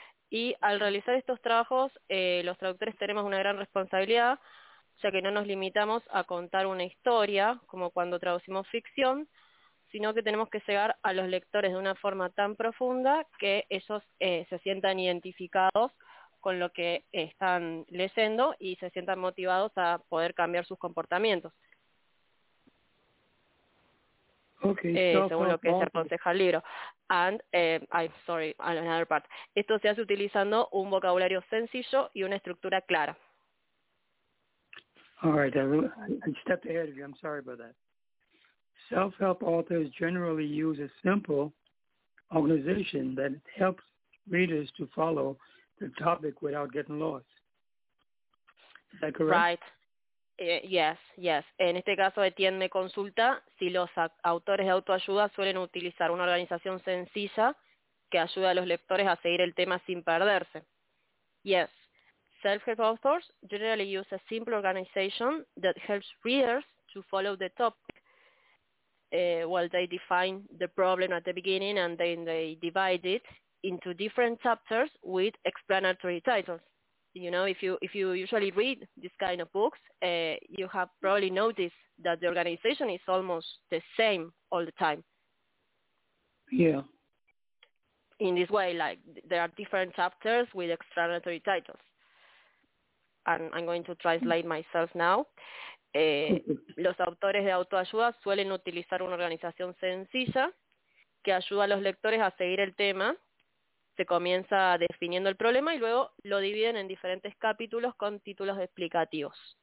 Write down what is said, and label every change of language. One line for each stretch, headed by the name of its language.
Spanish: Y al realizar estos trabajos, los traductores tenemos una gran responsabilidad, ya que no nos limitamos a contar una historia, como cuando traducimos ficción, sino que tenemos que llegar a los lectores de una forma tan profunda que ellos se sientan identificados con lo que están leyendo y se sientan motivados a poder cambiar sus comportamientos.
English: Okay,
Spanish: según lo que se aconseja el libro.
English: And, I'm sorry, another part.
Spanish: Esto se hace utilizando un vocabulario sencillo y una estructura clara.
English: All right, I stepped ahead of you. I'm sorry about that. Self-help authors generally use a simple organization that helps readers to follow the topic without getting lost. Is that correct? Right. Yes.
Spanish: En este caso de Tien me consulta si los autores de autoayuda suelen utilizar una organización sencilla que ayuda a los lectores a seguir el tema sin perderse.
English: Yes. Self-help authors generally use a simple organization that helps readers to follow the topic. Well, they define the problem at the beginning and then they divide it into different chapters with explanatory titles. You know, if you usually read this kind of books, you have probably noticed that the organization is almost the same all the time. Yeah. In this way, like, there are different chapters with explanatory titles. And I'm going to translate myself now.
Spanish: Los autores de autoayuda suelen utilizar una organización sencilla que ayuda a los lectores a seguir el tema. Se comienza definiendo el problema y luego lo dividen en diferentes capítulos con títulos explicativos.